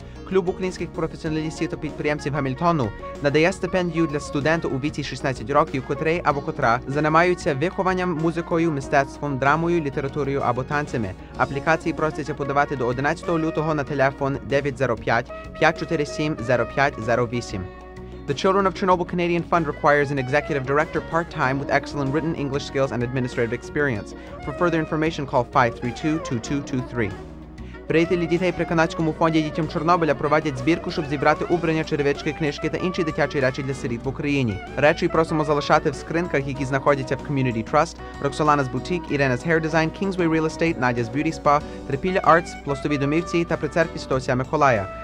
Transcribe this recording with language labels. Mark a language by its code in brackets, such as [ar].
[uk] Клуб українських професіоналістів та підприємців Гамільтону надає стипендію для студента у віці 16 років, котрий або котра займаються вихованням, музикою, мистецтвом, драмою, літературою або танцями. Аплікації проситься подавати до 11 лютого на телефон 905-547-0508. [en] The Children of Chernobyl Canadian Fund requires an executive director part-time with excellent written English skills and administrative experience. For further information, call 532-2223. [uk] Приятелі дітей при канадському фонді дітям Чорнобиля проводять збірку, щоб зібрати убрання, черевички, книжки та інші дитячі речі для сиріт в Україні. Речі просимо залишати в скринках, які знаходяться в Community Trust, Roxolana's Boutique, Irena's Hair Design, Kingsway Real Estate, Nadia's Beauty Spa, Трипілля Arts, Пластові домівці та при церкві Святого Миколая.